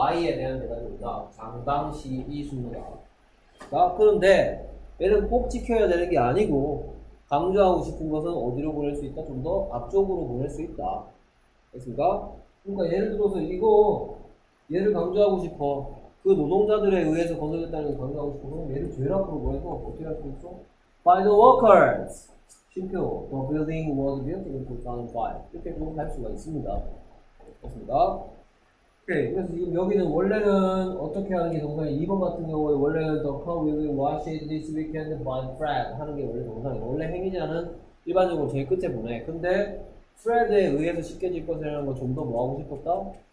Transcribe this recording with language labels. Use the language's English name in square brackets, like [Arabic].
[Korean] why에 대한 대답입니다. 장방시 이 순서다. 자, 그런데 얘는 꼭 지켜야 되는 게 아니고 강조하고 싶은 것은 어디로 보낼 수 있다? 좀더 앞쪽으로 보낼 수 있다. 그렇습니까? 그러니까 예를 들어서 이거 얘를 강조하고 싶어. 그 노동자들에 의해서 건설됐다는 걸 강조하고 싶어. 그럼 얘를 죄라고 보내서 어떻게 할수 있어? [English] By the workers, [Korean] 쉼표, [English] the building was built in 2005. [Korean] 이렇게 좀할 수가 있습니다. 그렇습니다. 오케이. 그래서 지금 여기는 원래는 어떻게 하는 게 정상이야? 2번 같은 경우에 원래는 [English] The car will be washed this weekend by Fred [Korean] 하는 게 원래 정상이야. 원래 행위자는 일반적으로 제일 끝에 보내. 근데 Fred에 의해서 씻겨질 것이라는 걸좀더뭐 하고 싶었다?